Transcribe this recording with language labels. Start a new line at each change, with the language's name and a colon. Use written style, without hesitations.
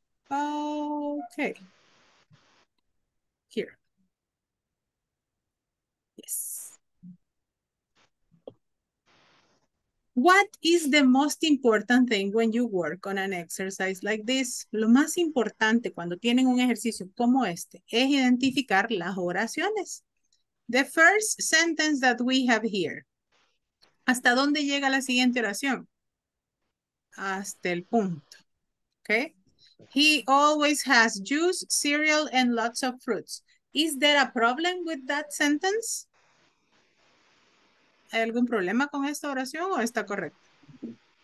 English: Okay. Here. Yes. What is the most important thing when you work on an exercise like this?
Spanish: Lo más importante cuando tienen un ejercicio como este es identificar las oraciones.
English: The first sentence that we have here.
Spanish: ¿Hasta dónde llega la siguiente oración? Hasta el punto. Okay.
English: He always has juice, cereal, and lots of fruits. Is there a problem with that sentence?
Spanish: ¿Hay algún problema con esta oración o está correcto?